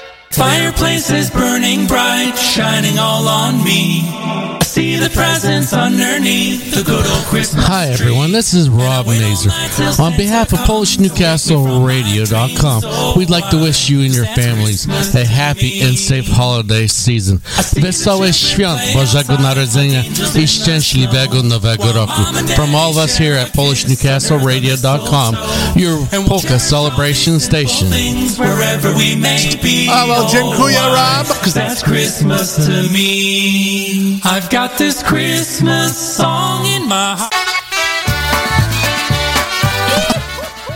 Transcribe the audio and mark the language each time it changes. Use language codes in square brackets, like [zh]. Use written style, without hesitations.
[en] Fireplace is burning bright, shining all on me. See the presents underneath the good old Christmas tree. Hi everyone, this is Rob Mazur. On behalf of PolishNewcastleRadio.com, we'd like to wish you and your families a happy and safe holiday season. [pl] Wesołe Świąt Bożego Narodzenia I Szczęśliwego Nowego Roku. [en] From all of us here at PolishNewcastleRadio.com, your Polka celebration station. Wherever we may be. Well, [pl] dziękuję, [en] Rob. That's Christmas to me. I've got this Christmas song in my heart.